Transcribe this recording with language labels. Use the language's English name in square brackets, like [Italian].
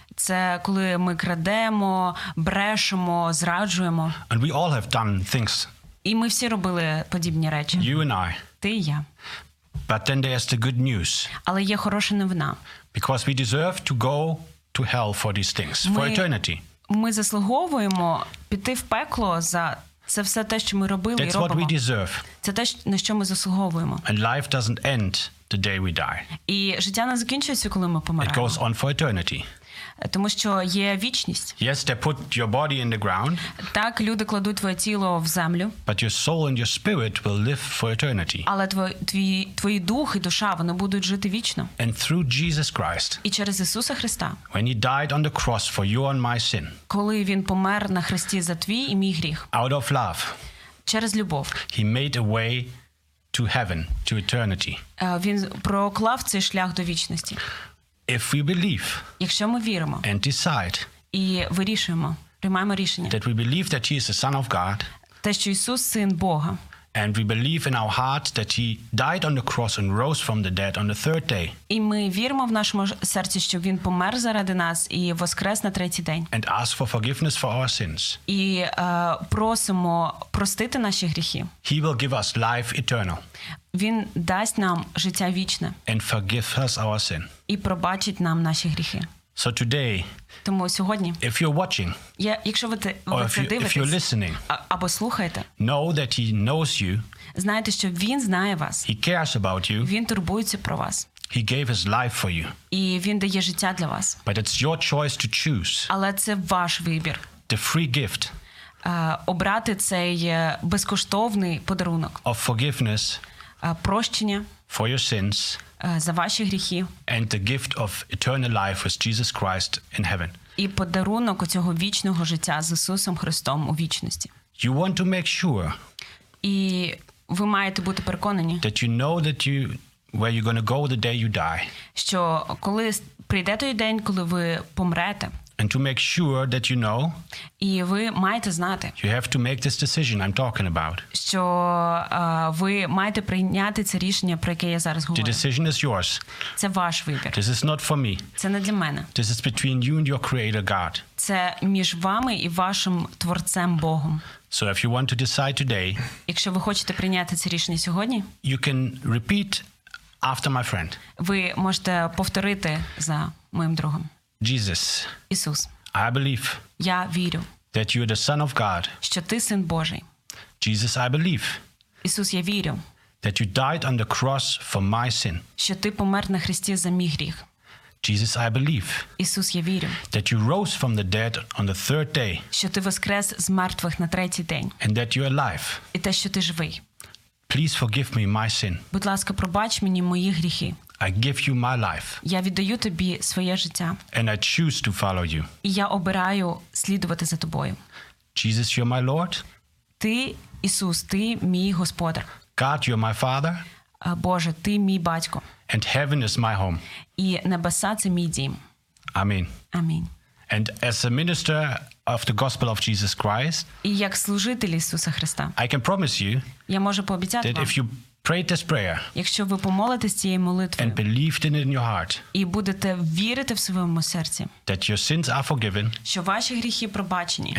[Ukrainian] Це коли ми крадемо, брешемо, зраджуємо. [English] And we all have done things. [Ukrainian] І ми всі робили подібні речі. [English] You and I. [Ukrainian] Ти і я. [English] But then there's the good news. [Ukrainian] Але є хороша новина. [English] Because we deserve to go to hell for these things, for eternity. [Ukrainian] Ми заслуговуємо піти в пекло за це все те, що ми робили [English] That's [Ukrainian] і робимо. [English] That's what we deserve. [Ukrainian] Це те, на що ми заслуговуємо. [English] And life doesn't end the day we die. [Ukrainian] І життя не закінчується, коли ми помираємо. [English] It goes on for eternity. [Ukrainian] Тому що є вічність. [English] Yes, they put your body in the ground. [Ukrainian] Так, люди кладуть твоє тіло в землю. [English] But your soul and your spirit will live for eternity. [Ukrainian] Але твій дух і душа, вони будуть жити вічно. [English] And through Jesus Christ. [Ukrainian] І через Ісуса Христа. [English] When he died on the cross for you and my sin. [Ukrainian] Коли він помер на хресті за твій і мій гріх. [English] Out of love. [Ukrainian] Через любов. [English] He made a way to heaven, to eternity. [Ukrainian] Він проклав цей шлях до вічності. [English] If we believe, [Ukrainian] якщо ми віримо, [English] and decide, [Ukrainian] і вирішуємо, приймаємо рішення, [English] that we believe that he is the Son of God, [Ukrainian] те, що Ісус Син Бога, [English] and we believe in our heart that he died on the cross and rose from the dead on the third day, [Ukrainian] і ми віримо в нашому серці, що він помер заради нас і воскрес на третій день, [English] and ask for forgiveness for our sins, [Ukrainian] і просимо простити наші гріхи, [English] he will give us life eternal. [Ukrainian] Він дасть нам життя вічне. [English] And forgive us our sin. [Ukrainian] І пробачить нам наші гріхи. [English] So today, [Ukrainian] тому сьогодні, [English] if you're watching, [Ukrainian] якщо ви це дивитесь, [English] if you're listening, [Ukrainian] або слухаєте, [English] know that he knows you, [Ukrainian] знаєте, що він знає вас. [English] He cares about you. [Ukrainian] Він турбується про вас. [English] He gave his life for you. [Ukrainian] І він дає життя для вас. [English] But it's your choice to choose. [Ukrainian] Але це ваш вибір. [English] The free gift. [Ukrainian] Обрати цей безкоштовний подарунок. [English] Of forgiveness. [Ukrainian] Прощення [English] for your sins, [Ukrainian] за ваші гріхи, [English] and the gift of eternal life with Jesus Christ in heaven. [Ukrainian] І подарунок оцього вічного життя з Ісусом Христом у вічності. [English] You want to make sure. [Ukrainian] І ви маєте бути переконані. [English] That you know that you where you're going to go the day you die. [Ukrainian] Що коли прийде той день, коли ви помрете. [English] And to make sure that you know. [Ukrainian] І ви маєте знати. [English] You have to make this decision I'm talking about. [Ukrainian] Що ви маєте прийняти це рішення, про яке я зараз говорю. [English] The decision is yours. [Ukrainian] Це ваш вибір. [English] This is not for me. [Ukrainian] Це не для мене. [English] This is between you and your creator God. [Ukrainian] Це між вами і вашим творцем Богом. [English] So if you want to decide today. [Ukrainian] Якщо ви хочете прийняти це рішення сьогодні. [English] You can repeat after my friend. [Ukrainian] Ви можете повторити за моїм другом. [English] Jesus. [Ukrainian] Ісус. [English] I believe. [Ukrainian] Я вірю. [English] That you are the Son of God. [Ukrainian] Що ти Син Божий. [English] Jesus, I believe. [Ukrainian] Ісус, я вірю. [English] That you died on the cross for my sin. [Ukrainian] Що ти помер на хресті за мій гріх. [English] Jesus, I believe. [Ukrainian] Ісус, я вірю. [English] That you rose from the dead on the third day. [Ukrainian] Що ти воскрес з мертвих на третій день. [English] And that you are alive. [Ukrainian] І те, що ти живий. [English] Please forgive me my sin. [Ukrainian] Будь ласка, пробач мені мої гріхи. [English] I give you my life. [Ukrainian] Я віддаю тобі своє життя. [English] And I choose to follow you. [Ukrainian] І я обираю слідувати за тобою. [English] Jesus, you're my Lord. [Ukrainian] Ти, Ісус, ти мій господар. [English] God, you're my Father. [Ukrainian] Боже, ти мій батько. [English] And heaven is my home. [Ukrainian] І небеса це мій дім. [English] Амін. [Ukrainian] Амінь. [English] And as a minister of the gospel of Jesus Christ, [Ukrainian] і як служитель Ісуса Христа, [English] I can promise you, [Ukrainian] я можу пообіцяти вам, [English] if you pray this prayer, [Ukrainian] якщо ви помолитесь цією молитвою, [English] and believed in it in your heart, [Ukrainian] і будете вірити в своєму серці, [English] that your sins are forgiven, [Ukrainian] що ваші гріхи пробачені,